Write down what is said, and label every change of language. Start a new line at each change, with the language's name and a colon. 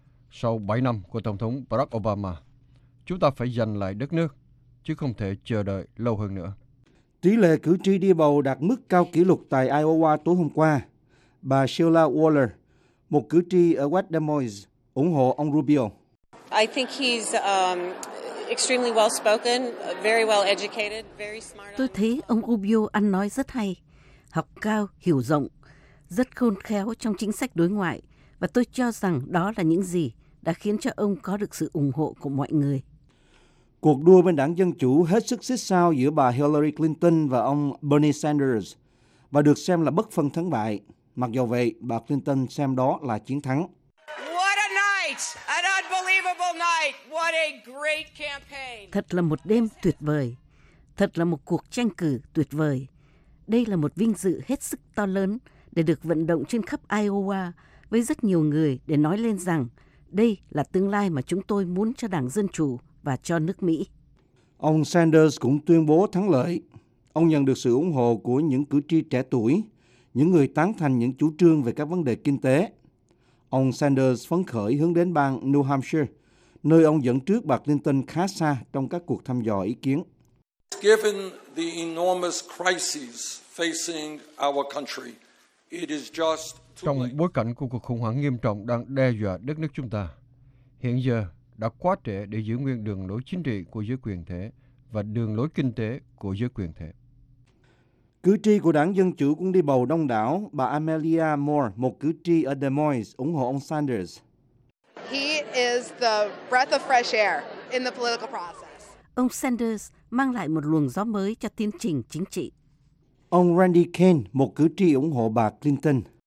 Vietnamese: Sau 7 năm của Tổng thống Barack Obama, chúng ta phải giành lại đất nước, chứ không thể chờ đợi lâu hơn nữa. Tỷ lệ cử tri đi bầu đạt mức cao kỷ lục tại Iowa tối hôm qua. Bà Sheila Waller, một cử tri ở West Des Moines, ủng hộ ông Rubio.
English: I think he's extremely well spoken, very well educated, very smart.
Vietnamese: Tôi thấy ông Rubio ăn nói rất hay, học cao, hiểu rộng, rất khôn khéo trong chính sách đối ngoại và tôi cho rằng đó là những gì đã khiến cho ông có được sự ủng hộ của mọi người. Cuộc đua bên Đảng Dân Chủ hết sức xích sao giữa bà Hillary Clinton và ông Bernie Sanders và được xem là bất phân thắng bại. Mặc dù vậy, bà Clinton xem đó là chiến thắng.
English: What a night! An unbelievable night! What a great campaign!
Vietnamese: Thật là một đêm tuyệt vời. Thật là một cuộc tranh cử tuyệt vời. Đây là một vinh dự hết sức to lớn để được vận động trên khắp Iowa với rất nhiều người để nói lên rằng đây là tương lai mà chúng tôi muốn cho Đảng Dân Chủ và cho nước Mỹ. Ông Sanders cũng tuyên bố thắng lợi. Ông nhận được sự ủng hộ của những cử tri trẻ tuổi, những người tán thành những chủ trương về các vấn đề kinh tế. Ông Sanders phấn khởi hướng đến bang New Hampshire, nơi ông dẫn trước bà Clinton khá xa trong các cuộc thăm dò ý kiến.
English: Given the enormous crises facing our country, it is just too late.
Vietnamese: Trong bối cảnh của cuộc khủng hoảng nghiêm trọng đang đe dọa đất nước chúng ta, hiện giờ đã quá trễ để giữ nguyên đường lối chính trị của giới quyền thể và đường lối kinh tế của giới quyền thể. Cử tri của Đảng Dân Chủ cũng đi bầu đông đảo. Bà Amelia Moore, một cử tri ở Des Moines, ủng hộ ông Sanders.
English: He is the breath of fresh air in the political process.
Vietnamese: Ông Sanders mang lại một luồng gió mới cho tiến trình chính trị. Ông Randy Kane, một cử tri ủng hộ bà Clinton.